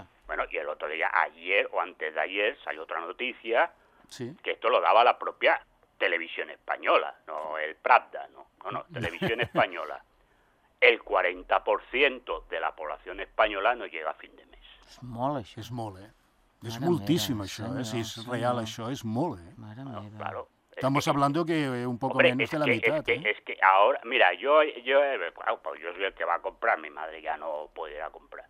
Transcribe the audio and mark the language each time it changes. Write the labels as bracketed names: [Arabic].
[Spanish] Bueno, y el otro día, ayer o antes de ayer, salió otra noticia, que esto lo daba la propia Televisión Española, no el Pravda, no, Televisión Española. El 40% de la población española no llega a fin de mes. [Catalan] És molt, això. És molt, És moltíssim, això, Si és real, això, és molt, Mare meva. [Spanish] No, claro. Estamos hablando que un poco hombre, menos de la mitad, Es que ahora, mira, yo soy el que va a comprar, mi madre ya no puede ir a comprar.